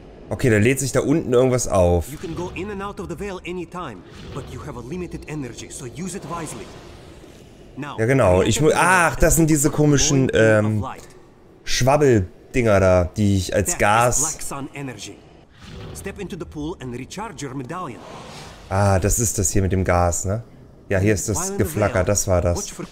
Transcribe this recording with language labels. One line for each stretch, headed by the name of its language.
German: Okay, da lädt sich da unten irgendwas auf.
English: You can go in and out of the Veil anytime, but you have a limited energy, so use it wisely.
German: Now, ja genau, ich muss... Ach, das sind diese komischen, Schwabbeldinger da, die ich als Gas...
English: Black Sun energy. Step into the pool and recharge your medallion.
German: Ah, das ist das hier mit dem Gas, ne? Ja, hier ist das Geflacker, das war das.